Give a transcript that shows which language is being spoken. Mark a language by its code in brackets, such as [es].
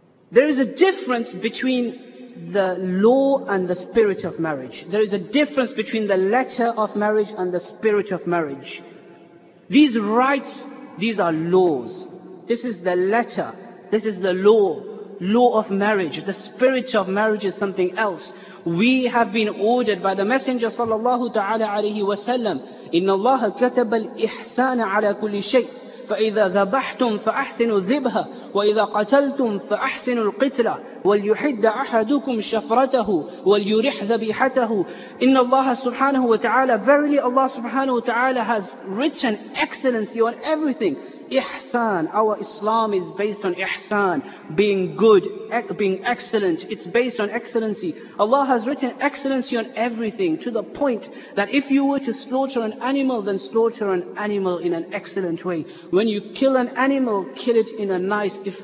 [en] There is a difference between the law and the spirit of marriage. There is a difference between the letter of marriage and the spirit of marriage. These rights, these are laws. This is the letter. This is the law. Law of marriage. The spirit of marriage is something else. We have been ordered by the Messenger [ar] sallallahu ta'ala alayhi wa sallam, إِنَّ اللَّهَ كَتَبَ الْإِحْسَانَ عَلَى كُلِّ شَيْءٍ فَإِذَا ذَبَحْتُمْ فَأَحْسِنُوا الذِّبْحَ وَإِذَا قَتَلْتُمْ فَأَحْسِنُوا الْقِتْلَ وَلْيُحِدَّ أَحَدُكُمْ شَفْرَتَهُ وَلْيُرِحْ ذَبِيحَتَهُ. إِنَّ اللَّهَ سُبْحَانَهُ وَتَعَالَى. [en] Verily Allah subhanahu wa ta'ala has written excellency on everything. Ihsan, our Islam is based on ihsan, being good, being excellent. It's based on excellency. Allah has written excellency on everything to the point that if you were to slaughter an animal, then slaughter an animal in an excellent way. When you kill an animal, kill it in a nice,